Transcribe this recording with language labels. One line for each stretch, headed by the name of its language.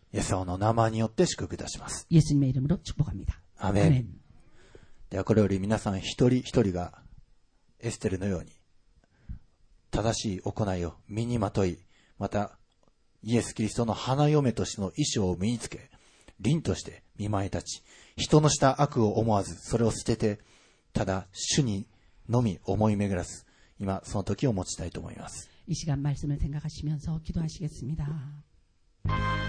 Korean: 예수의이름으로축복합니다 예수님의이름으로축복합니다 아멘
Japanese: ではこれより皆さん一人一人がエステルのように正しい行いを身にまとい、またイエス・キリストの花嫁としての衣装を身につけ、凛として見舞い立ち、人のした悪を思わずそれを捨てて、ただ主にのみ思い巡らす、今その時を持ちたいと思います。
Korean: 이시간말씀을생각하시면서기도하시겠습니다